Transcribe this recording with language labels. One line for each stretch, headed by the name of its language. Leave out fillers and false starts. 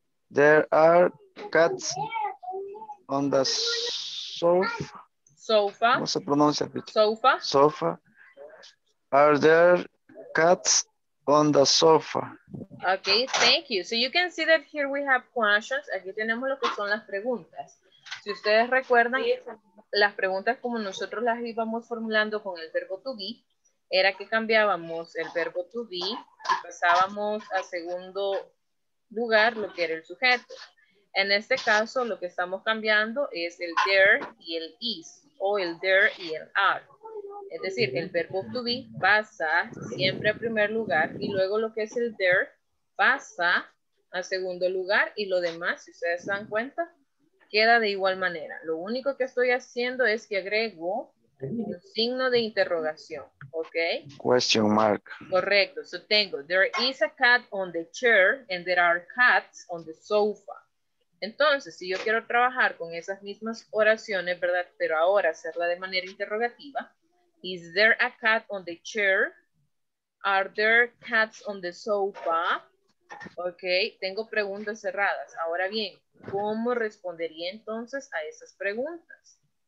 English: There are cats on the sofa. Sofa.
Spanish: ¿Cómo se pronuncia?
English: Sofa. Sofa. Are there cats on the sofa? Okay, thank you. So you can see that here we have questions.
Spanish: Aquí tenemos lo que son las preguntas. Si ustedes recuerdan, las preguntas como nosotros las íbamos formulando con el verbo to be, era que cambiábamos el verbo to be y pasábamos a segundo lugar lo que era el sujeto. En este caso, lo que estamos cambiando es el there y el is, o el there y el are. Es decir, el verbo to be pasa siempre a primer lugar y luego lo que es el there pasa a segundo lugar y lo demás, si ustedes se dan cuenta, queda de igual manera. Lo único que estoy haciendo es que agrego un signo de interrogación, ¿ok?
English: Question mark.
Spanish: Correcto.
English: So
Spanish: tengo,
English: there is a cat on the chair and there are cats on the sofa.
Spanish: Entonces, si yo quiero trabajar con esas mismas oraciones, ¿verdad? Pero ahora hacerla de manera interrogativa.
English: Is there a cat on the chair? Are there cats on the sofa? Ok,
Spanish: tengo preguntas cerradas. Ahora bien, ¿cómo respondería entonces a esas preguntas?